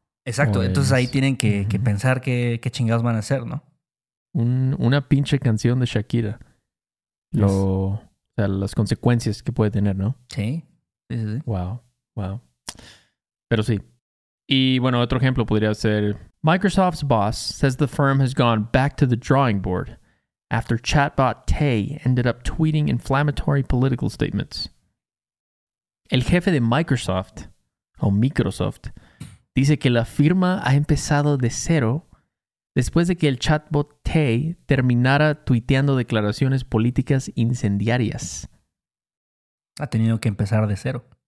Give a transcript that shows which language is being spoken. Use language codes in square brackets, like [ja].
[es] Exacto, entonces ahí tienen que pensar qué chingados van a hacer, ¿no? Una pinche canción de Shakira. Las consecuencias que puede tener, ¿no? Sí. Wow. Pero sí. Y bueno, otro ejemplo podría ser... [en] Microsoft's boss says the firm has gone back to the drawing board after chatbot Tay ended up tweeting inflammatory political statements. [es] El jefe de Microsoft, o Microsoft, dice que la firma ha empezado de cero después de que el chatbot Tay terminara tuiteando declaraciones políticas incendiarias. Ha tenido que empezar de cero.